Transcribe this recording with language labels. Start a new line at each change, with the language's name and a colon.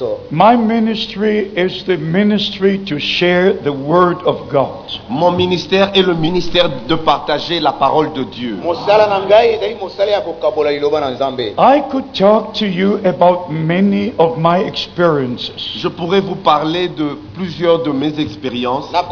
English: My ministry is the ministry to share the word of God.
French: Mon ministère est le ministère de partager la parole de Dieu.
English: I could talk to you about many of my experiences.
French: Je pourrais vous parler de plusieurs de mes expériences.